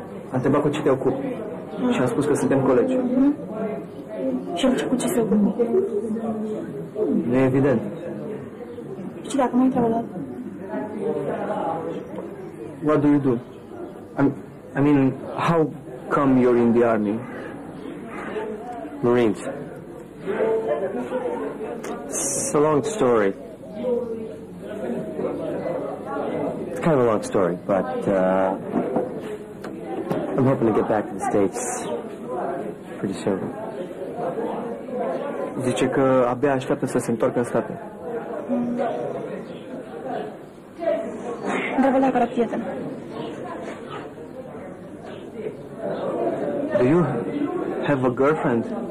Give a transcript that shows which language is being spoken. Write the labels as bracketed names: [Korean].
[Romanian] A întrebat cu ce te ocupi și am spus că suntem colegi. Și am început ce se ocupă. Nu e evident. Și dacă mai întreabă dat? [English] What do you do? I mean, how come you're in the army? Marines. It's a long story. It's kind of a long story, but I'm hoping to get back to the States pretty soon. [Romanian] Zice că abia așteaptă să se întoarcă în state. Da, vă la prieten. [English] Do you have a girlfriend?